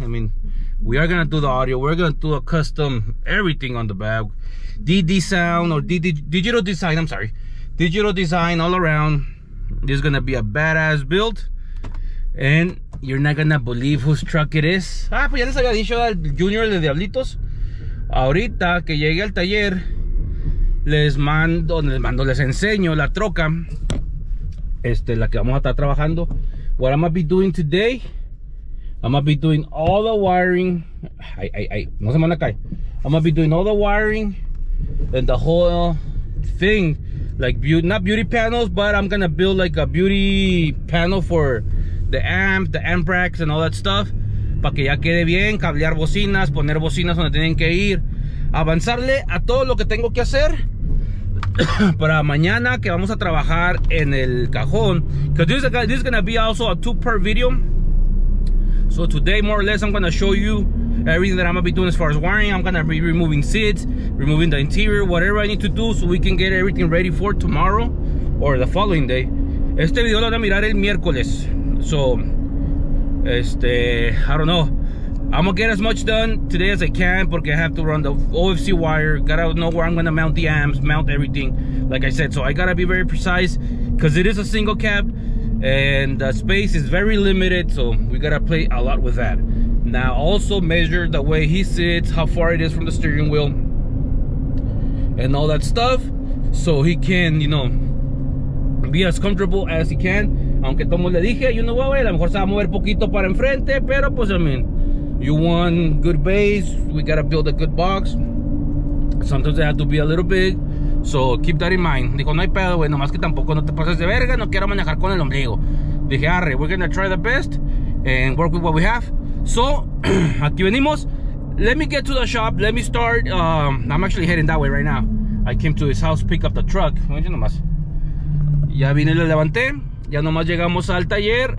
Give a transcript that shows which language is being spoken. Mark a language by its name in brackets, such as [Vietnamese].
[English] I mean, we are gonna do the audio. We're gonna do a custom everything on the bag. DD sound or DD digital design. I'm sorry. Digital design all around. This is gonna be a badass build. And you're not gonna believe whose truck it is. [Spanish] Ah, pues ya les había dicho al Junior de Diablitos. Ahorita que llegue al taller, les enseño la troca. La que vamos a estar trabajando. [English] What I'm gonna be doing today, I'm gonna be doing all the wiring. [Spanish] No se me van a caer. [English] I'm gonna be doing all the wiring and the whole thing. Like not beauty panels, but I'm gonna build like a beauty panel for the amp racks and all that stuff. [Spanish] Pa que ya quede bien, cablear bocinas, poner bocinas donde tienen que ir, avanzarle a todo lo que tengo que hacer para mañana que vamos a trabajar en el cajón. [English] Because this is gonna be also a two-part video. So today, more or less, I'm gonna show you everything that I'm gonna be doing as far as wiring. I'm gonna be removing seats, removing the interior, whatever I need to do so we can get everything ready for tomorrow or the following day. [Spanish] Este video lo van a mirar el miércoles. [English] So, I don't know. I'm gonna get as much done today as I can because I have to run the OFC wire. Gotta know where I'm gonna mount the amps, mount everything, like I said. So I gotta be very precise because it is a single cab and the space is very limited. So we gotta play a lot with that. Now also measure the way he sits, how far it is from the steering wheel and all that stuff, so he can, you know, be as comfortable as he can. [Spanish] Aunque como le dije, [English] you know what, [Spanish] a lo mejor se va a mover poquito para enfrente, pero pues, [English] I mean, you want good base, we gotta build a good box. Sometimes they have to be a little big, so keep that in mind. [Spanish] Dijo, no hay pedo, güey, nomás que tampoco no te pases de verga, no quiero manejar con el ombligo. Dije, arre, [English] we're gonna try the best and work with what we have. So, [Spanish] aquí venimos. [English] Let me get to the shop. Let me start. I'm actually heading that way right now. I came to his house, pick up the truck. [Spanish] Oye, nomás. Ya vine y le levanté. Ya nomás llegamos al taller.